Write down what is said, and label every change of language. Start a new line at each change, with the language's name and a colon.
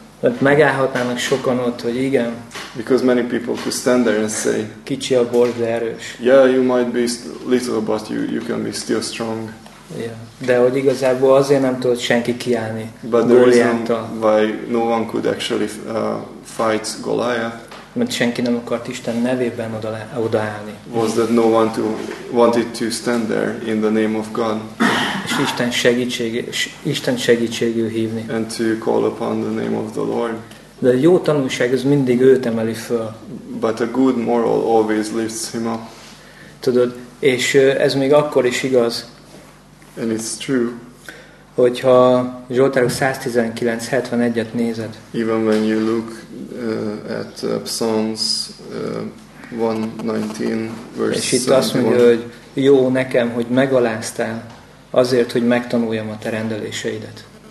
Hungarian: Mert megállhatnának sokan ott, hogy igen.
English: Because many people could stand there and say.
Hungarian: Kicsi a bor, de erős.
English: Yeah, you might be little, but you can be still strong. Yeah.
Hungarian: De hogy igazából azért nem tudott senki kiállni.
English: But the reason why no one could actually fight Goliath.
Hungarian: Mert senki nem akart Isten nevében odaállni.
English: Was that no one wanted to stand there in the name of God?
Hungarian: És Isten segítségül hívni.
English: And to call upon the name of the Lord.
Hungarian: De jó tanulság az mindig őt emeli föl.
English: But a good moral always lifts him up.
Hungarian: Tudod, és ez még akkor is igaz.
English: And it's true.
Hungarian: Hogyha Zsoltárok 119:71-et nézed.
English: Even when you look at Psalms 119 verse 71.
Hungarian: És itt azt mondja, hogy jó nekem, hogy megaláztál azért, hogy megtanuljam a te rendeléseidet.